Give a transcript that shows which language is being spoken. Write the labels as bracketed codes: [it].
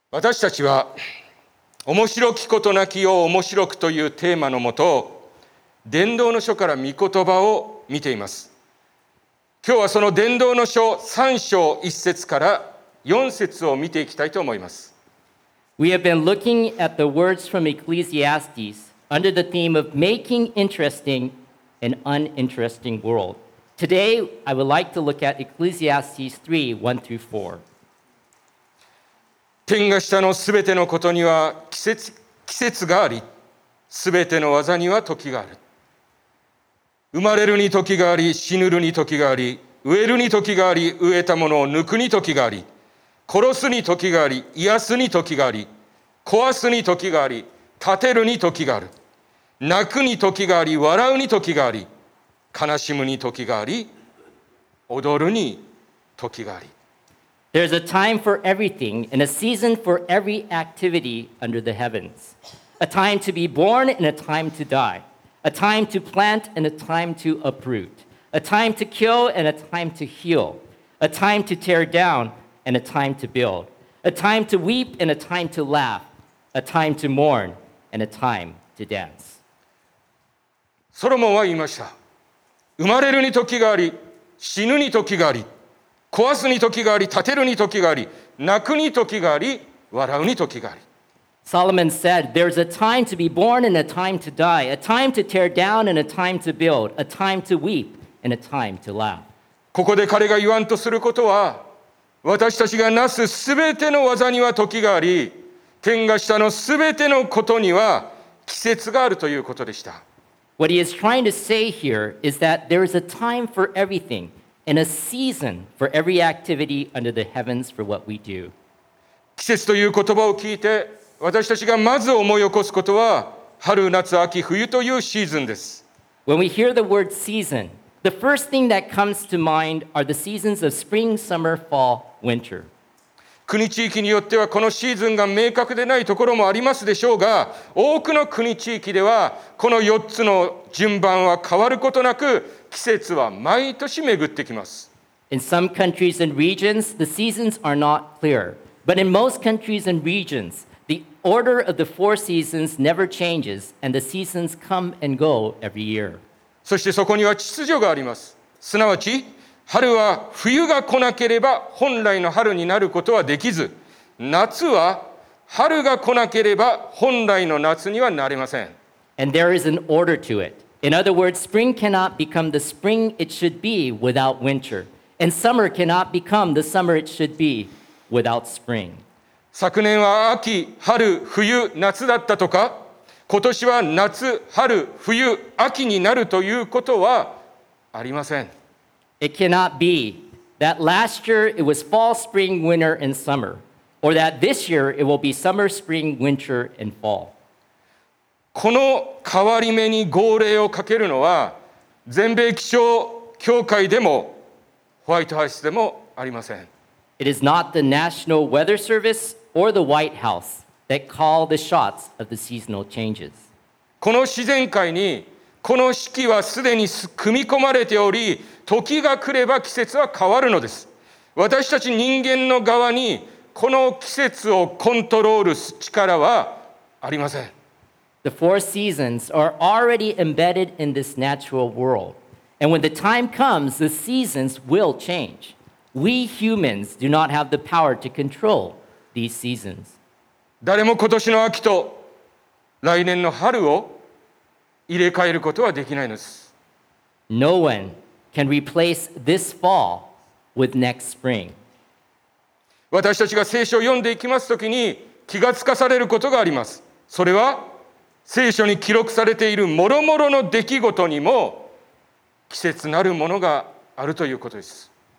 [ja] 私たちは面白きことなきよう面白くというテーマのもと、伝道の書から御言葉を見ています。今日はその伝道の書3章1節から4節を見ていきたいと思います。 [en] We have been looking at the words from Ecclesiastes under the theme of making interesting an uninteresting world. Today I would like to look at Ecclesiastes 3:1-4。 [ja] 天が下のすべてのことには季節があり、すべての技には時がある。生まれるに時があり、死ぬるに時があり、植えるに時があり、植えたものを抜くに時があり、殺すに時があり、癒すに時があり、壊すに時があり、立てるに時がある。泣くに時があり、笑うに時があり、悲しむに時があり、踊るに時があり。 [en] There's a time for everything and a season for every activity under the heavens. A time to be born and a time to die. A time to plant and a time to uproot. A time to kill and a time to heal. A time to tear down and a time to build. A time to weep and a time to laugh. A time to mourn and a time to dance. [ja] ソロモンは言いました。生まれるに時があり、死ぬに時があり、壊すに時があり、立てるに時があり、泣くに時があり、笑うに時があり。 [en] Solomon said, there's a time to be born and a time to die, a time to tear down and a time to build, a time to weep and a time to laugh. [ja] ここで彼が言わんとすることは、私たちがなすすべての技には時があり、天が下のすべてのことには季節があるということでした。 [en] What he is trying to say here is that there is a time for everything. And a season for every activity under the heavens for what we do. [ja] 季節という言葉を聞いて、私たちがまず思い起こすことは、春、夏、秋、冬というシーズンです。 [en] When we hear the word season, the first thing that comes to mind are the seasons of spring, summer, fall, winter. [ja] 国地域によってはこのシーズンが明確でないところもありますでしょうが、多くの国地域ではこの4つの順番は変わることなく、季節は毎年巡ってきます。 [en] In some countries and regions, the seasons are not clear. But in most countries and regions, the order of the four seasons never changes, and the seasons come and go every year. [ja] そしてそこには秩序があります。すなわち、春は冬が来なければ本来の春になることはできず、夏は春が来なければ本来の夏にはなれません。 [en] And there is an order to it. In other words, spring cannot become the spring it should be without winter. And summer cannot become the summer it should be without spring. [ja] 昨年は秋、春、冬、夏だったとか、今年は夏、春、冬、秋になるということはありません。 [en] It cannot be that last year it was fall, spring, winter, and summer. Or that this year it will be summer, spring, winter, and fall. [ja] この変わり目に号令をかけるのは全米気象協会でもホワイトハウスでもありません。 [en] It is not the National Weather Service or the White House that call the shots of the seasonal changes. [ja] この自然界にこの四季はすでに組み込まれており、時が来れば季節は変わるのです。私たち人間の側にこの季節をコントロールする力はありません。 [en] The four seasons are already embedded in this natural world. And when the time comes, the seasons will change. We humans do not have the power to control these seasons. [ja] 誰も今年の秋と来年の春を入れ替えることはできないのです。 [en] No one can replace this fall with next spring. [ja] 私たちが聖書を読んでいきますときに気がつかされることがあります。それは聖書に記録されている諸々の出来事にも季節なるものがあるということです。